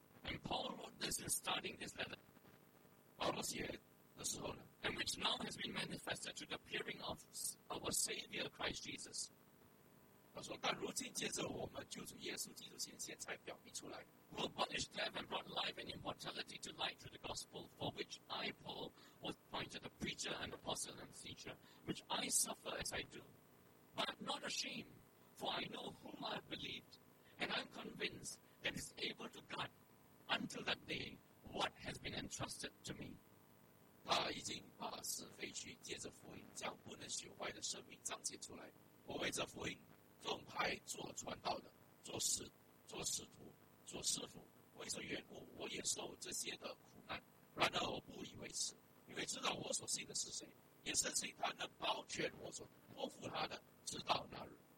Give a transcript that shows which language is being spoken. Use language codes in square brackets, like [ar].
[en] And Paul wrote this in starting this letter [zh] 保罗写的时候呢 [en] And which now has been manifested to the appearing of our Savior Christ Jesus [zh] 他说但如今借着我们救主耶稣基督显现才表明出来 [en] who abolished death and brought life and immortality to light through the gospel for which I Paul was appointed a preacher and apostle and teacher which I suffer as I do but I'm not ashamed for I know whom I have believed and I'm convinced that he's able to guard until that day what has been entrusted to me [zh] 他已经把死废去借着福音将不能朽坏的生命彰显出来我为这福音奉派做传道的，做师，做使徒，做师傅。为这缘故，我也受这些的苦难。然而我不以为耻，因为知道我所信的是谁，也深信他能保全我所托付他的，直到那日。